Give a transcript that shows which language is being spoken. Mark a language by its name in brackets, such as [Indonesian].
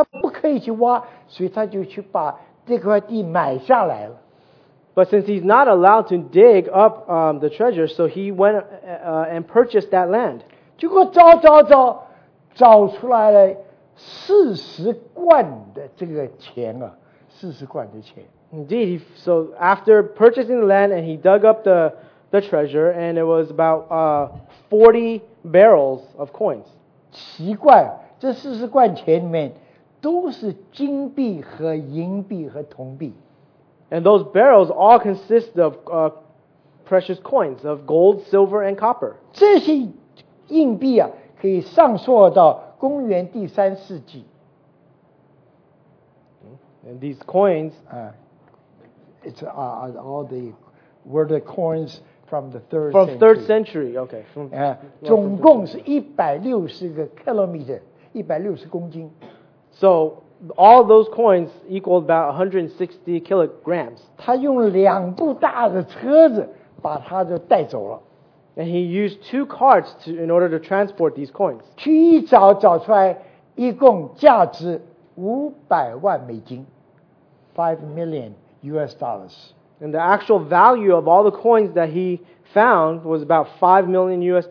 [Chinese] 他不可以去挖，所以他就去把这块地买下来了。 [English] But since he's not allowed to dig up the treasure, so he went and purchased that land. [Chinese] 结果找找找，找出来了四十贯的这个钱啊，四十贯的钱。 [English] Indeed, so after purchasing the land and he dug up the treasure, and it was about 40 barrels of coins. [Chinese] 奇怪，这四十贯钱里面都是金币和银币和铜币。 [English] And those barrels all consist of precious coins of gold, silver, and copper. [Chinese] 这些硬币啊，可以上溯到公元第三世纪。 [English] And these coins, it's all the were the coins from the third from third century. Okay. [Chinese] 总共是160个 kilometer, 160公斤。 [English] So all those coins equaled about 160 kilograms. [Chinese] 他用两部大的车子把他就带走了。 [English] And he used two carts in order to transport these coins. [Chinese] 去一找找出来，一共价值$500,000 $5 million. [English] And the actual value of all the coins that he found was about $5 million.